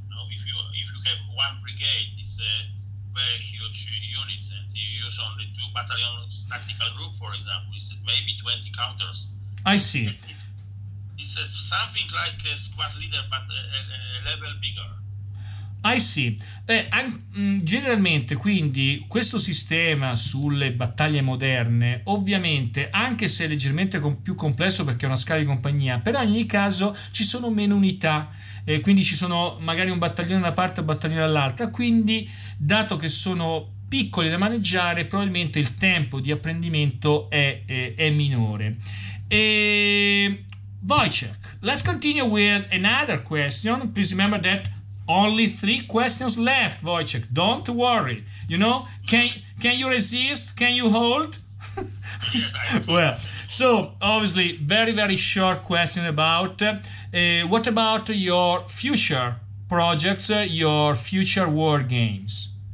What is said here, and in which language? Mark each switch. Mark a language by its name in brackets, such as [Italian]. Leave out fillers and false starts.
[English] Now, if you have one brigade, it's a very huge unit, and you use only two battalions tactical group, for example, it's maybe 20 counters. I see. It's something like a squad leader, but a level bigger. I see. [Italian] Generalmente, quindi, questo sistema sulle battaglie moderne, ovviamente, anche se è leggermente più complesso perché è una scala di compagnia, per ogni caso ci sono meno unità, quindi ci sono magari un battaglione da una parte e un battaglione dall'altra, quindi, dato che sono piccoli da maneggiare, probabilmente il tempo di apprendimento è minore. [English] Wojciech, let's continue with another question. Please remember that only three questions left, Wojciech. Don't worry. You know, can you resist? Can you hold? Well, so obviously, very, very short question about what about your future projects, your future war games?